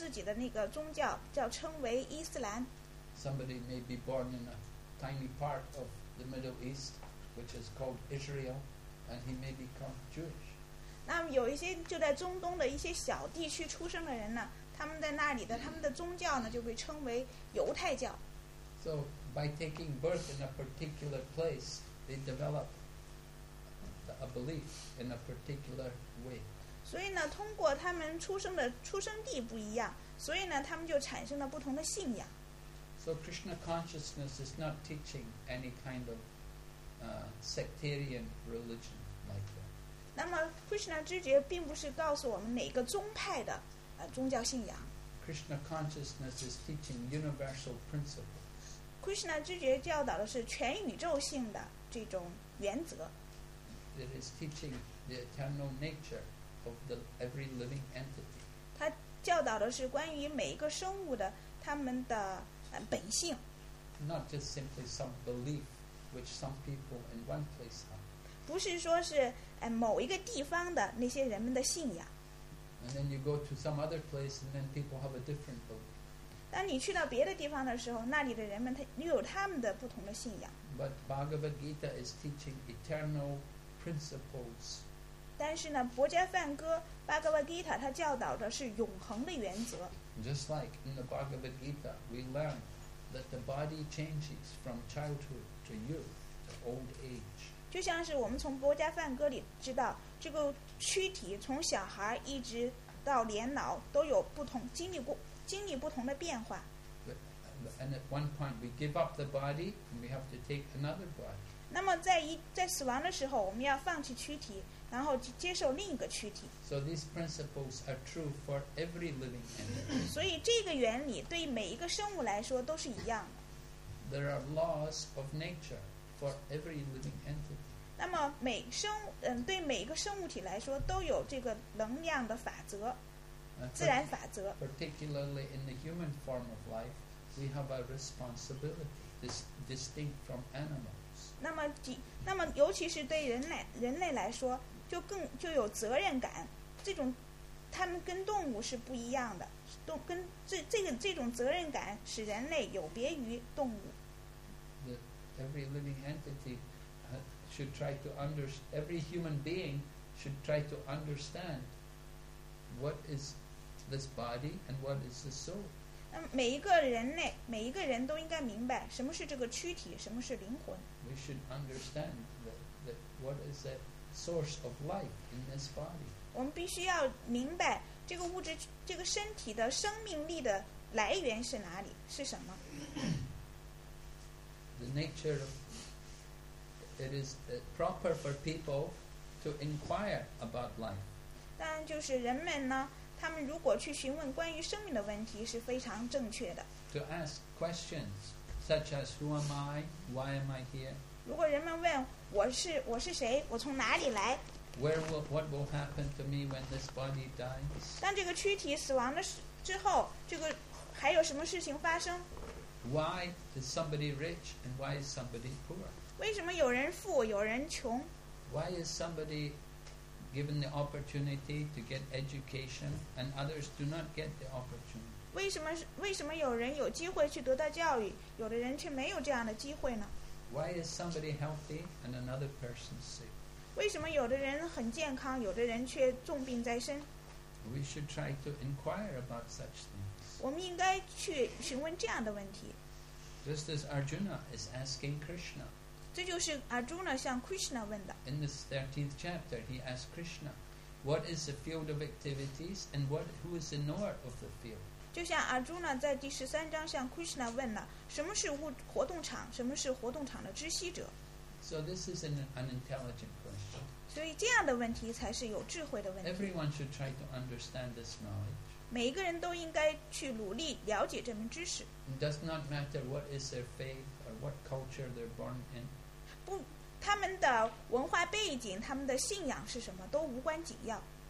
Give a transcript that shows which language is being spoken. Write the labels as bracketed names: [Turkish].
[Chinese] 就像是出生在中东的人，他们就有他们这个自己的那个宗教，叫称为伊斯兰。 [English] Somebody may be born in a tiny part of the Middle East, which is called Israel, and he may become Jewish. [Chinese] 那么有一些就在中东的一些小地区出生的人呢，他们在那里的他们的宗教呢就被称为犹太教。 [English] So by taking birth in a particular place, they develop a belief in a particular way. [Chinese] 所以呢，通过他们出生的地不一样，所以呢，他们就产生了不同的信仰。 [English] So Krishna consciousness is not teaching any kind of sectarian religion like that. [Chinese] 那么 Krishna 知觉并不是告诉我们哪个宗派的宗教信仰。 [English] Krishna consciousness is teaching universal principles. [Chinese] Krishna 知觉教导的是全宇宙性的这种原则 [English] It is teaching the eternal nature of the every living entity [Chinese] 它教导的是关于每一个生物的它们的本性 [English] Not just simply some belief which some people in one place have [Chinese] 不是说是某一个地方的那些人们的信仰 [English] And then you go to some other place and then people have a different belief [Chinese] 当你去到别的地方的时候，那里的人们他又有他们的不同的信仰。 [English] But Bhagavad Gita is teaching eternal principles. [Chinese] 但是呢，博迦梵歌，Bhagavad Gita它教导的是永恒的原则。 [English] Just like in the Bhagavad Gita, we learn that the body changes from childhood to youth to old age. [Chinese] 就像是我们从博迦梵歌里知道，这个躯体从小孩一直到年老都有不同经历过。经历不同的变化。 [English] And at one point we give up the body and we have to take another body. [Chinese] 那么在死亡的时候，我们要放弃躯体，然后接受另一个躯体。 [English] So these principles are true for every living entity. [Chinese] 所以这个原理对每一个生物来说都是一样的。 [English] There are laws of nature for every living entity. [Chinese] 那么每生对每一个生物体来说都有这个能量的法则。自然法则。 [English] Particularly in the human form of life, we have a responsibility distinct from animals. [Chinese] 那么尤其是对人类来说，就有责任感。这种，他们跟动物是不一样的，跟这种责任感使人类有别于动物。 [English] Every living entity should try to understand. Every human being should try to understand what is. This body and what is the soul? [Chinese] 那每一个人类，每一个人都应该明白什么是这个躯体，什么是灵魂。 [English] We should understand that what is the source of life in this body. [Chinese] 我们必须要明白这个物质，这个身体的生命力的来源是哪里，是什么。 [English] The nature of it is proper for people to inquire about life. [Chinese] 但就是人们呢。他们如果去询问关于生命的问题是非常正确的。 [English] To ask questions such as who am I, why am I here? [Chinese] 如果人们问我是谁，我从哪里来 [English] ？Where will what will happen to me when this body dies? [Chinese] 当这个躯体死亡的之后，这个还有什么事情发生 [English] ？Why is somebody rich and why is somebody poor? [Chinese] 为什么有人富有人穷 [English] ？Why is somebody given the opportunity to get education and others do not get the opportunity. [Chinese] 为什么有人有机会去得到教育，有的人却没有这样的机会呢？ [English] Why is somebody healthy and another person sick? [Chinese] 为什么有的人很健康，有的人却重病在身？ [English] We should try to inquire about such things. [Chinese] 我们应该去询问这样的问题。 [English] Just as Arjuna is asking Krishna. [Chinese] 这就是 Arjuna 向 Krishna 问的。 [English] In this 13th chapter, he asked Krishna, "What is the field of activities, and who is the knower of the field?" [Chinese] 就像 Arjuna 在第十三章向 Krishna 问了，什么是活动场，什么是活动场的知悉者 [English] ？So this is an intelligent question. [Chinese] 所以这样的问题才是有智慧的问题。 [English] Everyone should try to understand this knowledge. [Chinese] 每一个人都应该去努力了解这门知识。 [English] It does not matter what is their faith. What culture they're born in? [Chinese] 不，他们的文化背景，他们的信仰是什么，都无关紧要。